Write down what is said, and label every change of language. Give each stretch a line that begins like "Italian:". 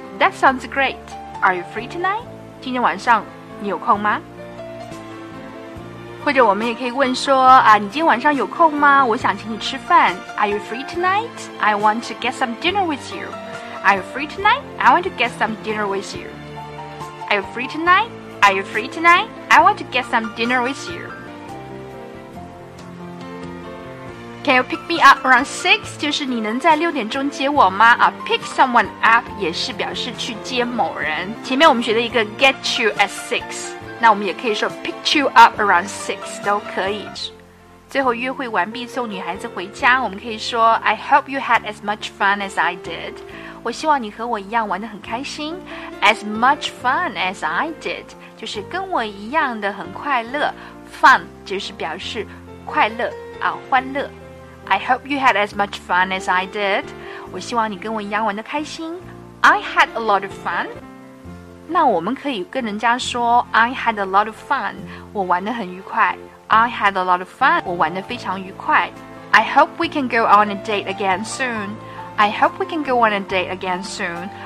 English: That sounds great Are you free tonight?
Chinese: 今天晚上你有空吗或者我们也可以问说啊，你今天晚上有空吗我想请你吃饭
English: Are you free tonight? I want to get some dinner with youAre you free tonight? I want to get some dinner with you. Are you free tonight? Are you free tonight? I want to get some dinner with you. Can you pick me up around 6?
Chinese: 就是你能在六点钟接我吗？
English: Pick someone up
Chinese: 也是表示去接某人。前面我们学的一个
English: get you at 6,
Chinese: 那我们也可以说
English: pick you up around 6,
Chinese: 都可以。最后约会完毕送女孩子回家，我们可以说
English: I hope you had as much fun as I did.
Chinese: 我希望你和我一样玩得很开心。
English: As much fun as I did
Chinese: 就是跟我一样的很快乐， Fun 就是表示快乐啊，欢乐。
English: I hope you had as much fun as I did.
Chinese: 我希望你跟我一样玩得开心。
English: I had a lot of fun.
Chinese: 那我们可以跟人家说
English: I had a lot of fun.
Chinese: 我玩得很愉快。
English: I had a lot of fun.
Chinese: 我玩得非常愉快。
English: I hope we can go on a date again soon. I hope we can go on a date again soon.